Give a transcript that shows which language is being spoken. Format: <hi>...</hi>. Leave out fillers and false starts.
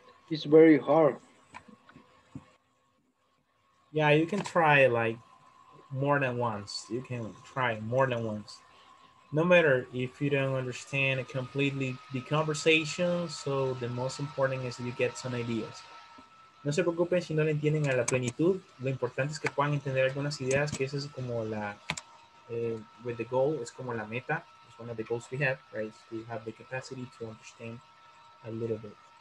<en>It's very hard. Yeah, you can try like more than once. You can try more than once. No matter if you don't understand completely the conversation, so the most important is you get some ideas.</en> <es>No se preocupen si no le entienden a la plenitud. Lo importante es que puedan entender algunas ideas, que eso es como la</es> <en>with the goal,</en> <es>es como la meta,</es> <en>it's one of the goals we have, right? So you have the capacity to understand a little bit.</en>